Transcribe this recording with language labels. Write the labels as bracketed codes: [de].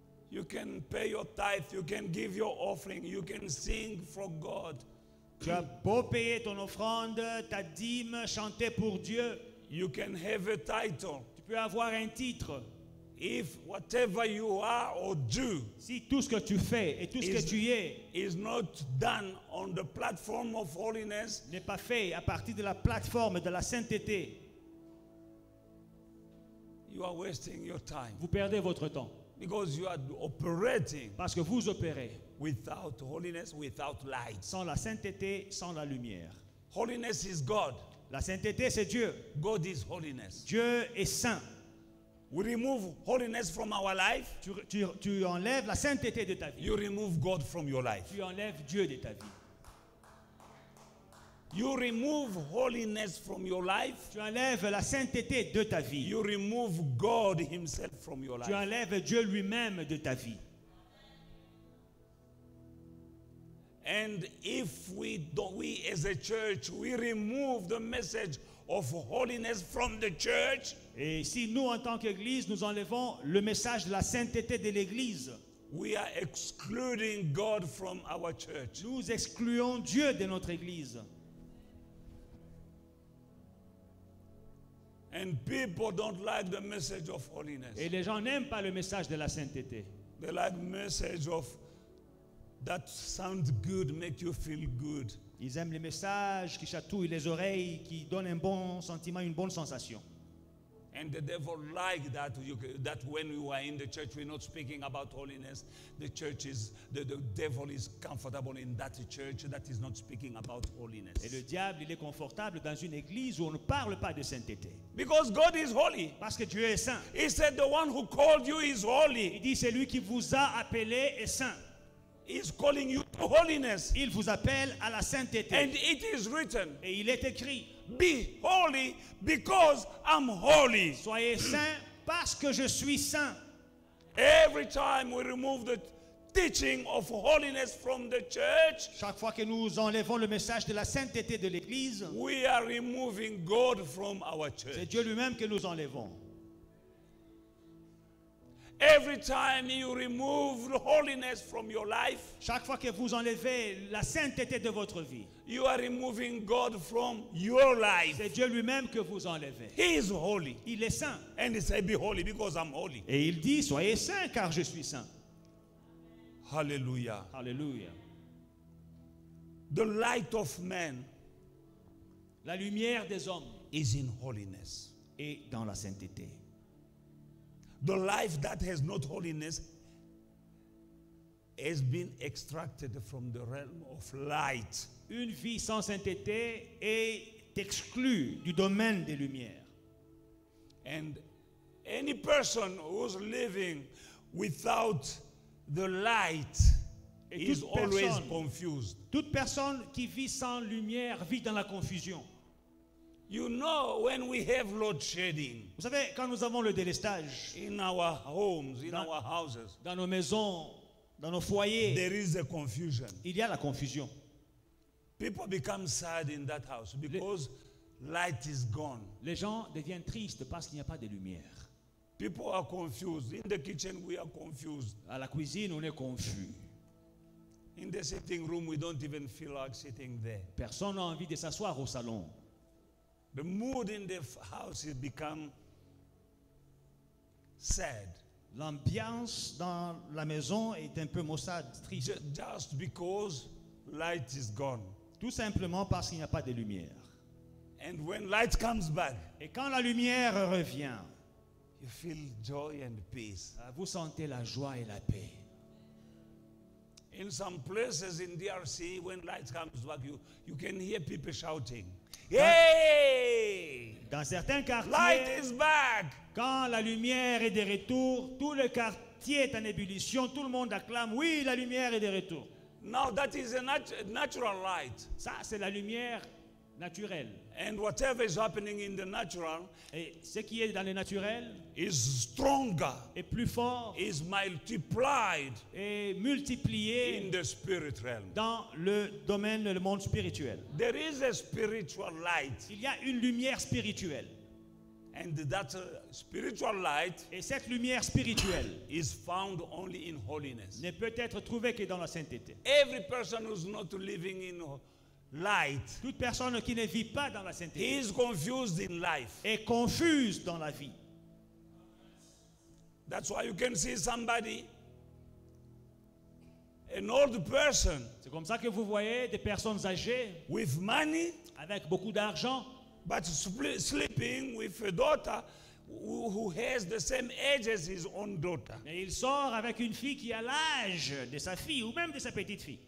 [en] You can pay your tithe, you can give your offering, you can sing for God. [fr] Tu as beau payer ton offrande, ta dîme, chanter pour Dieu. [en] You can have a title. [fr] Tu peux avoir un titre. [en] If whatever you are or do, [fr] si tout ce que tu fais et tout ce que tu es [en] is not done on the platform of holiness, [fr] n'est pas fait à partir de la plateforme de la sainteté, [en] you are wasting your time. [fr] Vous perdez votre temps. [en] Because you are operating. [fr] Parce que vous opérez. [en] Without holiness, without light. [fr] Sans la sainteté, sans la lumière. [en] Holiness is God. [fr] La sainteté, c'est Dieu. [en] God is holiness. [fr] Dieu est saint. [en] We remove holiness from our life. [fr] Tu enlèves la sainteté de ta vie. [en] You remove God from your life. [fr] Tu enlèves Dieu de ta vie. [en] You remove holiness from your life. [fr] Tu enlèves la sainteté de ta vie. [en] You remove God himself from your life. [fr] Tu enlèves Dieu lui-même de ta vie. [en] And if we don't, we as a church, we remove the message of holiness from the church. [fr] Et si nous en tant qu'église, nous enlevons le message de la sainteté de l'église, [en] we are excluding God from our church. [fr] Nous excluons Dieu de notre église. [en] And people don't like the message of holiness. [fr] Et les gens n'aiment pas le message de la sainteté. [en] They like message of that sounds good, make you feel good. [fr] Ils aiment les messages qui chatouillent les oreilles, qui donnent un bon sentiment, une bonne sensation. [en] And the devil like that. That when we are in the church, we're not speaking about holiness. The church is the devil is comfortable in that church that is not speaking about holiness. [fr] Et le diable il est confortable dans une église où on ne parle pas de sainteté. [en] Because God is holy. [fr] Parce que Dieu est saint. [en] He said the one who called you is holy. [fr] Il dit celui qui vous a appelé est saint. [en] He's calling you to holiness. [fr] Il vous appelle à la sainteté. [en] And it is written. [fr] Et il est écrit. [en] Be holy because I'm holy. [fr] Soyez saints parce que je suis saint. [en] Every time we remove the teaching of holiness from the church, [fr] chaque fois que nous enlevons le message de la sainteté de l'église, [en] we are removing God from our church. [fr] C'est Dieu lui-même que nous enlevons. [en] Every time you remove holiness from your life, [fr] chaque fois que vous enlevez la sainteté de votre vie, [en] you are removing God from your life. [fr] C'est Dieu lui-même que vous enlevez. [en] He is holy. [fr] Il est saint. [en] And he said, "Be holy because I'm holy." [fr] Et il dit, soyez saint car je suis saint. [en] Hallelujah. [fr] Hallelujah. [en] The light of man, [fr] la lumière des hommes, [en] is in holiness. [fr] Et dans la sainteté. [en] The life that has not holiness has been extracted from the realm of light. [fr] Une vie sans sainteté est exclue du domaine des lumières. [en] And any person who's living without the light is always confused. [fr] Toute personne qui vit sans lumière vit dans la confusion. [en] You know, when we have load shedding, [fr] vous savez, quand nous avons le délestage [en] in our homes, in our houses, [fr] dans nos maisons, dans nos foyers, [en] there is a confusion. [fr] Il y a la confusion. [en] People become sad in that house because light is gone. [fr] Les gens deviennent tristes parce qu'il n'y a pas de lumière. [en] People are confused. In the kitchen, we are confused. [fr] À la cuisine, on est confus. [en] In the sitting room, we don't even feel like sitting there. [fr] Personne n'a envie de s'asseoir au salon. [en] The mood in the house has become sad. [fr] L'ambiance dans la maison est un peu maussade, triste. [en] Just because light is gone. [fr] Tout simplement parce qu'il n'y a pas de lumière. [en] And when light comes back, [fr] et quand la lumière revient, [en] you feel joy and peace. [fr] Vous sentez la joie et la paix. [en] In some places in DRC, when light comes back, you can hear people shouting. [fr] Dans certains quartiers, [en] light is back. [fr] Quand la lumière est de retour, tout le quartier est en ébullition, tout le monde acclame, oui, la lumière est de retour. [en] Now that is a natural light. [fr] Ça, c'est la lumière naturelle. [en] And whatever is happening in the natural, [fr] et ce qui est dans le naturel [en] is stronger, [fr] est plus fort, [en] is multiplied, [fr] est multiplié [en] in the spirit realm. [fr] Dans le domaine, le monde spirituel. [en] There is a spiritual light. [fr] Il y a une lumière spirituelle. [en] And that spiritual light, [fr] et cette lumière spirituelle, [en] is found only in holiness. [fr] Ne peut être trouvée que dans la sainteté. [en] Every person who's not living in light, [fr] toute personne qui ne vit pas dans la sainteté, [en] is confused in life, [fr] est confuse dans la vie. [en] That's why you can see somebody, an old person, [fr] c'est comme ça que vous voyez des personnes âgées, [en] with money, [fr] avec beaucoup d'argent, [en] but sleeping with a daughter who has the same age as his own daughter. [fr] Mais il sort avec une fille qui a l'âge de sa fille ou même de sa petite fille.